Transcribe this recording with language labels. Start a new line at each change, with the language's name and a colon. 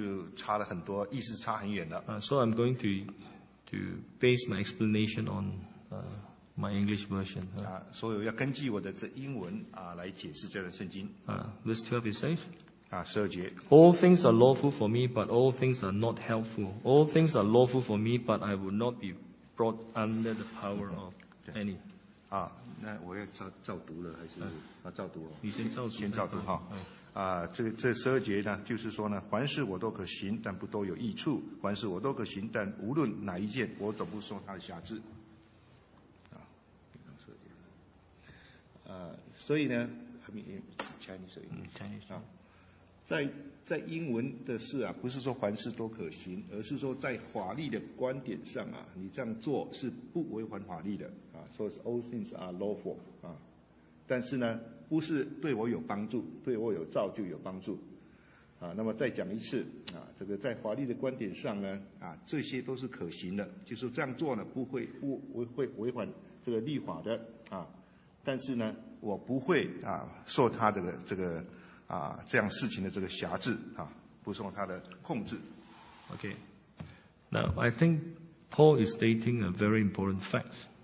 Chinese: 那么中文的翻译啊，跟这英文啊就差了很多，意思差很远的。
English: So I'm going to base my explanation on. My English version.
Chinese: 所以要根据我的这英文来解释这段圣经。
English: Verse 12 it says.
Chinese: 十二节。
English: All things are lawful for me, but all things are not helpful. All things are lawful for me, but I will not be brought under the power of any.
Chinese: 那我要照读了还是照读？你先照读。这十二节呢，就是说呢，凡事我都可行，但不都有益处；凡事我都可行，但无论哪一件，我总不说它的瑕疵。所以呢 ，Chinese 在英文的事啊，不是说凡事都可行，而是说在法律的观点上啊，你这样做是不违反法律的啊。
English: So all things are lawful
Chinese: 啊，但是呢，不是对我有帮助，对我有造就有帮助啊。那么再讲一次啊，这个在法律的观点上呢，这些都是可行的，就是这样做呢不会违反这个律法的啊。但是呢，我不会受他这个这样事情的这个辖制不受他的控制。
English: Okay, now I think Paul is stating a very important fact.